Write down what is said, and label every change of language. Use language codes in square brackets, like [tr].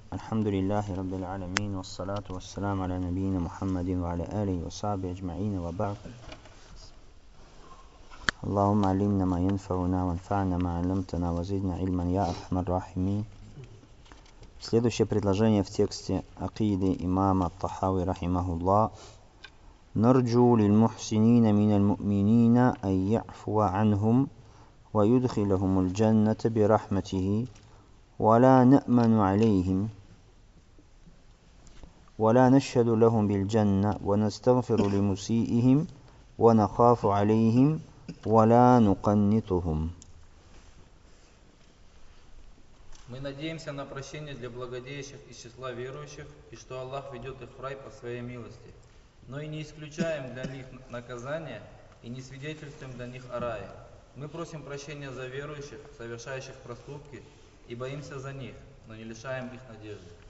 [ar] الحمد لله رب العالمين، والصلاة والسلام على نبينا محمد وعلى آله وصحبه أجمعين، وبعد. اللهم علمنا ما ينفعنا وانفعنا ما علمتنا وزدنا علما يا أرحم الراحمين. [ru] Следующее предложение в тексте Акиды имама Ат-Тахави [ar] رحمه الله. نرجو للمحسنين من المؤمنين أن يعفو عنهم ويدخلهم الجنة برحمته ولا نأمن عليهم ولا نشهد لهم بالجنة ونستغفر لمسيئهم ونخاف عليهم ولا نقنطهم. [ru] Мы надеемся на прощение для благодеющих из числа верующих и что Аллах ведет их в рай по своей милости, но и не исключаем для них наказание и не свидетельствуем для них о рае. Мы просим прощения за верующих, совершающих проступки, и боимся за них, но не лишаем их надежды.